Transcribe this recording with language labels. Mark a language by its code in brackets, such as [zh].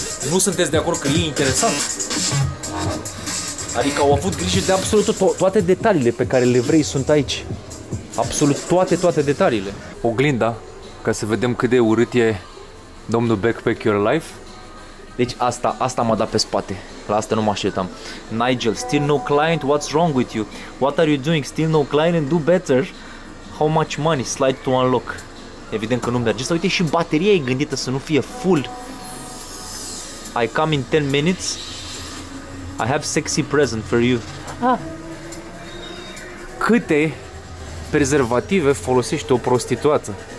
[ro] Nu sunteți de acord că e interesant? Adică au avut grijă de absolut toate detaliile pe care le vrei sunt aici. Absolut toate detaliile. Oglinda, ca să vedem cât de urât e domnul Backpack Your Life. Deci asta m-a dat pe spate. La asta nu mă așteptam. [en] Nigel, still no client, what's wrong with you? What are you doing? Still no client and do better? How much money? Slide to unlock. [ro] Evident că nu merge. Să uite, și bateria e gândită să nu fie full. [en] I come in 10 minutes. I have sexy present for you. [ro] Câte prezervative folosește o prostituată?